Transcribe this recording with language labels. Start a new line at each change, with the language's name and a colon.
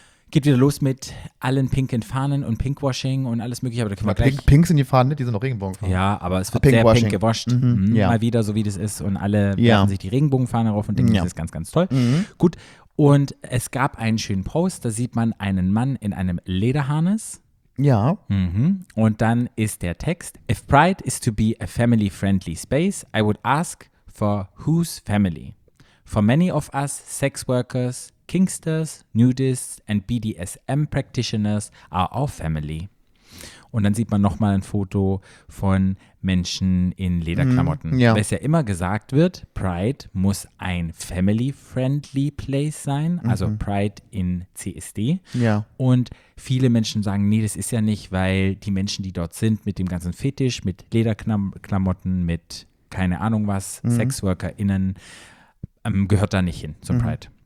German: Geht wieder los mit allen pinken Fahnen und Pinkwashing und alles Mögliche. Aber da können wir gleich. Pinks sind die Fahnen, ne? Die sind noch Regenbogenfahnen. Ja, aber es wird sehr pink gewascht. Mhm, mal wieder, so wie das ist. Und alle werfen sich die Regenbogenfahne rauf und denken, das ist ganz, ganz toll. Mhm. Gut, und es gab einen schönen Post. Da sieht man einen Mann in einem Lederharness. Ja. Mhm. Und dann ist der Text.
English: If Pride is to be a family-friendly space, I would ask for whose family? For many of us, sex workers, Kinksters, Nudists and BDSM Practitioners are our family.
German: Und dann sieht man nochmal ein Foto von Menschen in Lederklamotten.
English: Mm, yeah.
German: Weil es ja immer gesagt wird, Pride muss ein
English: family-friendly place
German: sein, also Pride in CSD.
English: Yeah.
German: Und viele Menschen sagen, nee, das ist ja nicht, weil die Menschen, die dort sind, mit dem ganzen Fetisch, mit Lederklamotten, mit keine Ahnung was, SexworkerInnen, gehört da nicht hin zum Pride.